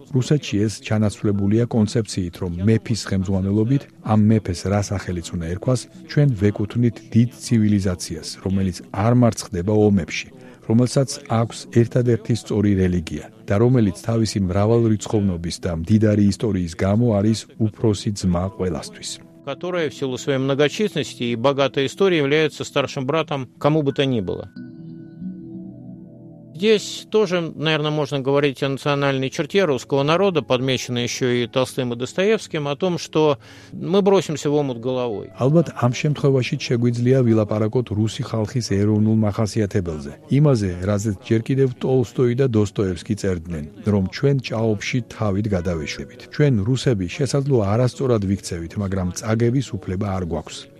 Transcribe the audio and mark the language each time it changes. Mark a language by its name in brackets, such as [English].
[Georgian] რუსეთში ეს ჩანაცვლებულია კონცეფციით, რომ მეფის ხელმძღვანელობით ამ მეფეს რა სახელიც უნდა ერქვას, ჩვენ ვეკუთვნით დიდ ცივილიზაციას, რომელიც არ მარცხდება ომებში, რომელსაც აქვს ერთადერთი სწორი რელიგია და რომელიც თავისი მრავალრიცხოვნობის და მდიდარი ისტორიის გამო არის უფროსი ძმა ყველასთვის. [Russian] Которая в силу своей многочисленности и богатой истории является старшим братом кому бы то ни было. Здесь тоже, наверное, можно говорить о национальной черте русского народа, подмеченной еще и Толстым и Достоевским, о том, что мы бросимся в омут головой. [Georgian] Албат, ам შემთხვევაში შეგვიძლია ვილაპარაკოთ რუსი ხალხის ეროვნულ მახასიათებელზე. Имазе, разве ჯერ კიდევ Толстой და Достоевский წერდნენ, რომ ჩვენ ჭაობში თავით გადავეშვებით. ჩვენ რუსები შესაძლო არასწორად ვიქცევით, მაგრამ წაგების უფლება არ გვაქვს.